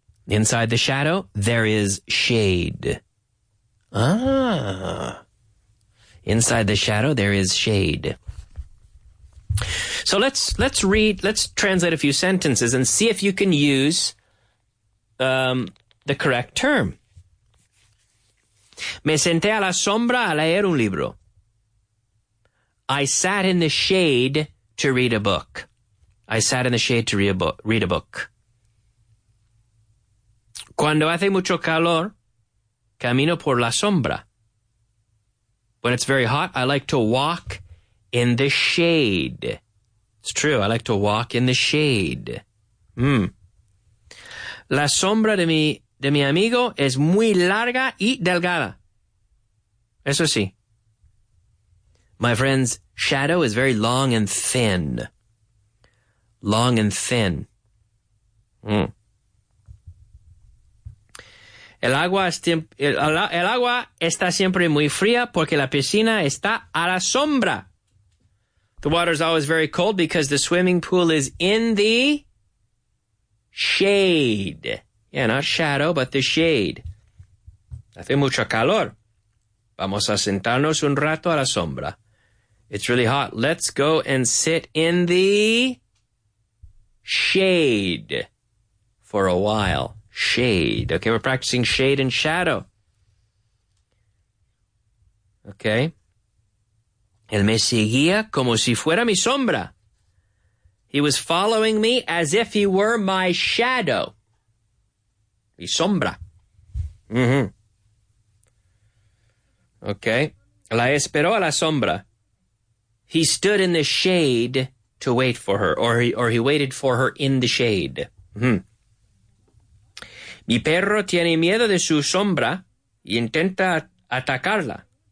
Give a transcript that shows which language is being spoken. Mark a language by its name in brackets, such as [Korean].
[English] Inside the shadow, there is shade. Ah. Inside the shadow, there is shade. So let's translate a few sentences and see if you can use the correct term. [Spanish] Me senté a la sombra a leer un libro. [English] I sat in the shade to read a book. I sat in the shade to read a book. [Spanish] Cuando hace mucho calor, camino por la sombra. [English] When it's very hot, I like to walk in the shade. It's true, I like to walk in the shade. [Spanish] La sombra de mi amigo es muy larga y delgada. Eso sí. [English] My friend's shadow is very long and thin. Long and thin. [Spanish] El agua está siempre muy fría porque la piscina está a la sombra. [English] The water is always very cold because the swimming pool is in the shade. Yeah, not shadow, but the shade. [Spanish] Hace mucho calor. Vamos a sentarnos un rato a la sombra. [English] It's really hot. Let's go and sit in the shade for a while. Shade. Okay, we're practicing shade and shadow. Okay. [Spanish] Él me seguía como si fuera mi sombra. [English] He was following me as if he were my shadow. [Spanish] Mi sombra. [English] Mm-hmm. [Spanish] Okay. La esperó a la sombra. [English] He stood in the shade to wait for her, or he waited for her in the shade. Mm-hmm. [Spanish] Mi perro tiene miedo de su sombra y intenta atacarla.